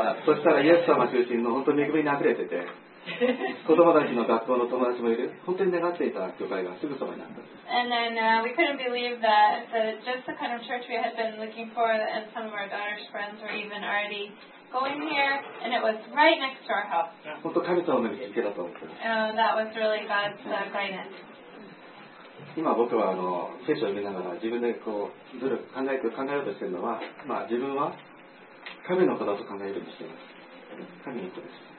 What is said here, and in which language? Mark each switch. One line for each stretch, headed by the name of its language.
Japanese: そしたらイエス様中心の本当に恵みに溢れてて。子供たちの学校の友達もいる本当に願っていた教会がすぐそばにあった
English: And then, we couldn't believe that the, just the kind of church we had been looking for and some of our daughter's friends were even already going here and it was right next to our house
Japanese: 本当神様の見つけだと思って
English: that was really God's guidance
Japanese: 今僕はあの聖書を見ながら自分でこう考えようとしているのは、まあ、自分は神の子だと考えようとしています神の子です